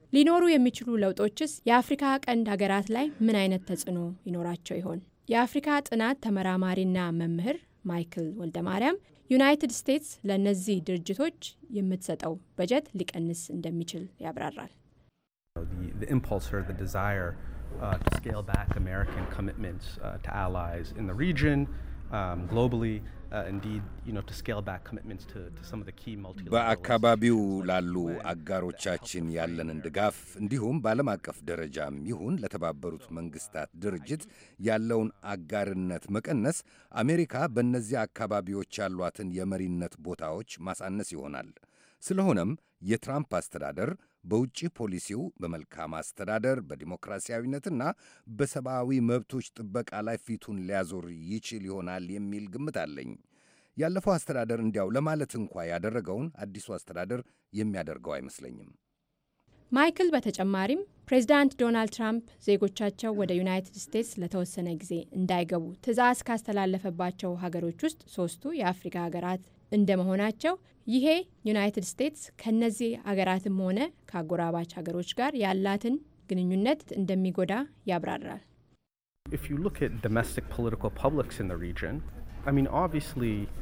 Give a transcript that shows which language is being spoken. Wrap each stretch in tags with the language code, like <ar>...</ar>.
<am>ሊኖሩ የሚችሉ ለውጦችስ የአፍሪካ ቀንድ ሀገራት ላይ ምን አይነት ተጽዕኖ ይኖራቸው ይሆን? የአፍሪካ ጥናት ተመራማሪና መምህር ማይክል ወልደ ማርያም ዩናይትድ ስቴትስ ለነዚህ ድርጅቶች የምትሰጠው በጀት ሊቀንስ እንደሚችል ያብራራል።</am> <en>The impulse or the desire to scale back American commitments to allies in the region globally indeed you know to scale back commitments to some of the key multilateral</en> <am>በአካባቢው ላሉ አጋሮቻችን ያለንን ድጋፍ እንዲሁም በአለም አቀፍ ደረጃም ይሁን ለተባበሩት መንግስታት ድርጅት ያለውን አጋርነት መቀነስ አሜሪካ በእነዚህ አካባቢዎች ያሏትን የመሪነት ቦታዎች ማሳነስ ይሆናል። ስለሆነም የትራምፕ አስተዳደር በውጭ ፖሊሲው በመልካም አስተዳደር በዲሞክራሲያዊነትና በሰብአዊ መብቶች ጥበቃ ላይ ፊቱን ሊያዞር ይችል ይሆናል የሚል ግምት አለኝ። ያለፈው አስተዳደር እንዲያው ለማለት እንኳን ያደረገውን አዲሱ አስተዳደር የሚያደርገው አይመስለኝም። ማይክል በተጨማሪም ፕሬዝዳንት ዶናልድ ትራምፕ ዜጎቻቸው ወደ ዩናይትድ ስቴትስ ለተወሰነ ጊዜ እንዳይገቡ ትዕዛዝ ካስተላለፈባቸው ሀገሮች ውስጥ 3ቱ የአፍሪካ ሀገራት እንደመሆናቸው ይሄ ዩናይትድ ስቴትስ ከነዚህ ሀገራትም ሆነ ከአጎራባች ሀገሮች ጋር ያላትን ግንኙነት እንደሚጎዳ ያብራራል።</am> <en>If you look at domestic political publics in the region, I mean obviously</en>